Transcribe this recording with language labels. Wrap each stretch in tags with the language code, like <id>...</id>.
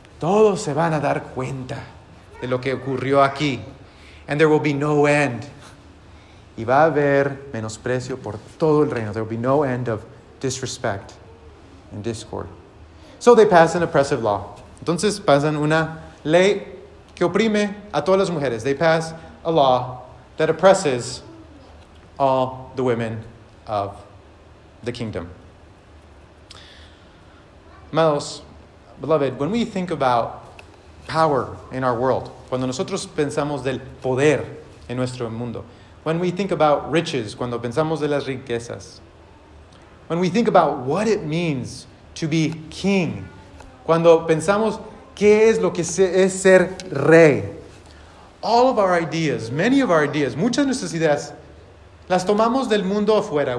<es>Todos se van a dar cuenta de lo que ocurrió aquí.</es> <en>And there will be no end.</en> <es>Y va a haber menosprecio por todo el reino.</es> <en>There will be no end of disrespect and discord. So they pass an oppressive law.</en> <es>Entonces pasan una ley que oprime a todas las mujeres.</es> <en>They pass a law that oppresses all the women of the kingdom. Amados, beloved, when we think about power in our world,</en> <es>cuando nosotros pensamos del poder en nuestro mundo,</es> <en>when we think about riches,</en> <es>cuando pensamos de las riquezas,</es> <en>when we think about what it means to be king,</en> <es>cuando pensamos qué es lo que es ser rey,</es> <en>all of our ideas, many of our ideas,</en> <es>muchas de nuestras ideas, las tomamos del mundo afuera.</es>